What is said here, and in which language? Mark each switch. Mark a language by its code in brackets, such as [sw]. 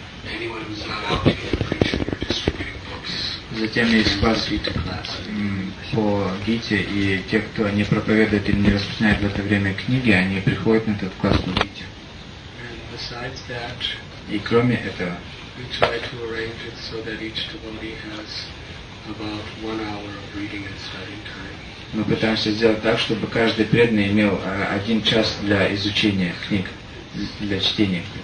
[en] Anyone who's not out here, I'm pretty sure you're distributing books. [ru] Затем есть класс Gita class по Гите, и те, кто не проповедует или не распространяет в это время книги, они приходят на этот класс по Гите. [en] And besides that, [ru] и кроме этого, [en] we try to arrange it so that each devotee has about 1 hour of reading and studying time. [ru] Мы пытаемся сделать так, чтобы каждый преданный имел один час для изучения книг, для чтения.